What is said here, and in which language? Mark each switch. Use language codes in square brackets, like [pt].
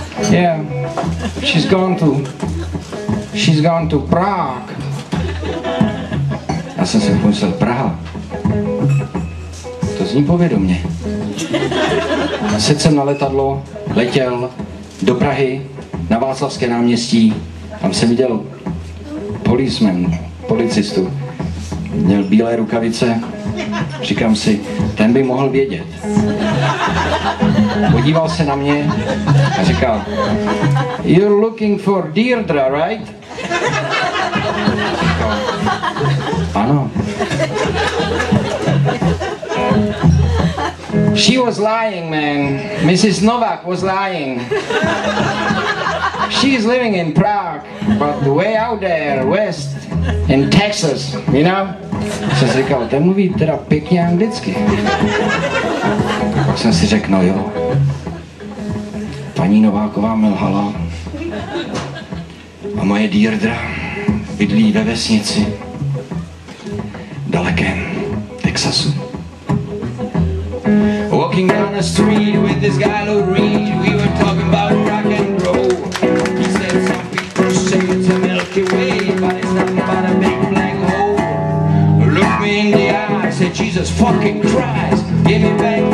[en] Yeah, she's gone to Prague. [cs] Já jsem si pomyslel, Praha, to zní povědomně. Sedl jsem na letadlo, letěl do Prahy, na Václavské náměstí, tam jsem viděl policeman, policistu, měl bílé rukavice, říkám si, ten by mohl vědět. Podíval se na mě a říkal, [en] you're looking for Deirdra, right? [cs] Říkal, ano. [en] She was lying, man. Mrs. Novak was lying. She's living in Prague, but way out there, west, in Texas, you know? [cs] Jsem si říkal, ten mluví teda pěkně anglicky. Pak jsem si řekl, no jo, paní Nováková mi lhala a moje Deirdra bydlí ve vesnici dalekém Texasu. [en] Walking down the street with this guy Lou Reed, we were talking about rock and roll. He said some people say it's a Milky Way, but it's nothing but a big black hole. Look me in the eye, I said Jesus fucking Christ, give me back.